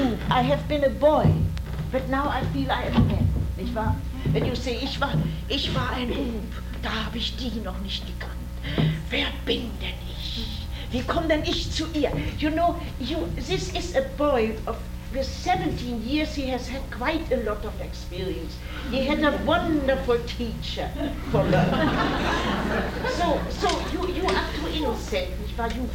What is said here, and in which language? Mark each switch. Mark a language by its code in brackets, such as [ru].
[en] I have been a boy, but now I feel I am a man, [de] nicht wahr? Wenn du siehst, ich war ein Bub, da habe ich die noch nicht gekannt. Wer bin denn ich? Wie komme denn ich zu ihr? [en] You know, this is a boy of with 17 years, he has had quite a lot of experience. He had a wonderful teacher for me. So you are too innocent, [de] nicht wahr?